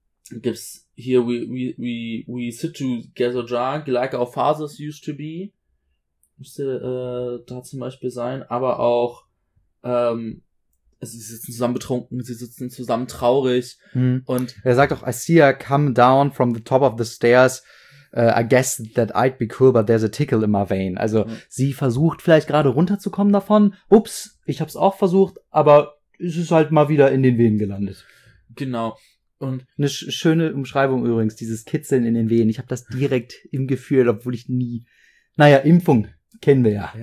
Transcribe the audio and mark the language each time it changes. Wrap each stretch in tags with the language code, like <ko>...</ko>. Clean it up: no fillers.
<de>Gibt's hier,</de> <en>we sit together drunk, like our fathers used to be.</en> <de>Müsste da zum Beispiel sein. Aber auch sie sitzen zusammen betrunken, sie sitzen zusammen traurig. Mhm. Und er sagt auch,</de> <en>I see her come down from the top of the stairs. I guess that I'd be cool, but there's a tickle in my vein.</en> <de>Also sie versucht vielleicht gerade runterzukommen davon. Ups, ich hab's auch versucht, aber es ist halt mal wieder in den Venen gelandet. Genau. Und eine schöne Umschreibung übrigens, dieses Kitzeln in den Venen. Ich hab das direkt im Gefühl, obwohl ich nie... Naja, Impfung. Kennen wir ja.</de>